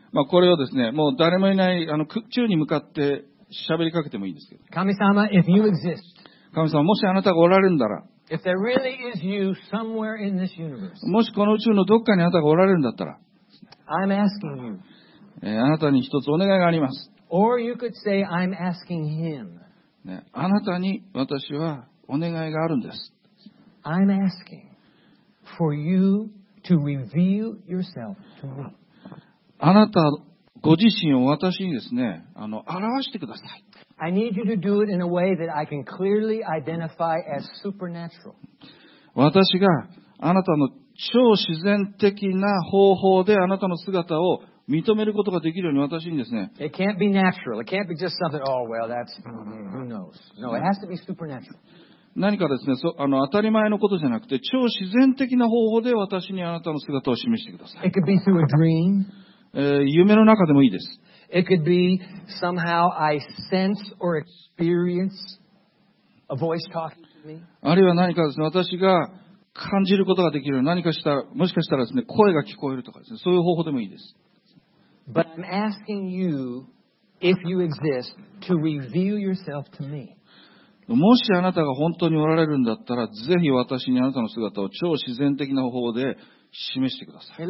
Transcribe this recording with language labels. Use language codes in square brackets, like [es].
[ja] まあ、これをですね、もう誰もいない、宙に向かって喋りかけてもいいんですけど。 [en] 神様、if you exist, [ja] 神様、もしあなたがおられるんだら、 [en] if there really is you somewhere in this universe, [ja] もしこの宇宙のどっかにあなたがおられるんだったら、 [en] I'm asking you, [ja] あなたに一つお願いがあります。 [en] Or you could say, I'm asking him. [ja] ね、あなたに私はお願いがあるんです。 [en] I'm asking for you. To reveal yourself to me. [ja] あなたご自身を私にですね、表してください。 [en] I need you to do it in a way that I can clearly identify as supernatural. [ja] 私があなたの超自然的な方法であなたの姿を認めることができるように私にですね。 [en] It can't be natural. It can't be just something. Oh well, that's who knows. No, it has to be supernatural. [ja] 何かですね、当たり前のことじゃなくて、超自然的な方法で私にあなたの姿を示してください。 [en] It could be through a dream. [ja] 夢の中でもいいです。 [en] It could be somehow I sense or experience a voice talking to me. [ja] あるいは何かですね、私が感じることができる、何かしたら、もしかしたらですね、声が聞こえるとかですね、そういう方法でもいいです。 [en] But I'm asking you, if you exist, to reveal yourself to me. [ja] もしあなたが本当におられるんだったら、ぜひ私にあなたの姿を超自然的な方法で示してください。